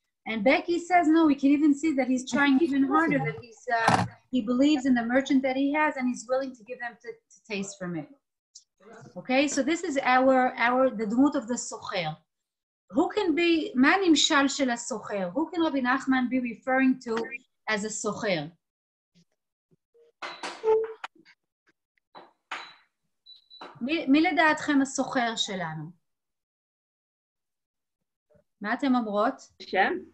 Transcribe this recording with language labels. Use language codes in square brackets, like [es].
[en] And Becky says, no, we can even see that he's trying even harder, that he believes in the merchant that he has, and he's willing to give them to taste from it. Okay, so this is our the dmut of the socher. Who can be, [he] מה נמשל של הסוחר? [en] Who can Rabbi Nachman be referring to as a socher? [he] מי לדעתכם הסוחר שלנו? מה אתם אומרות? שם?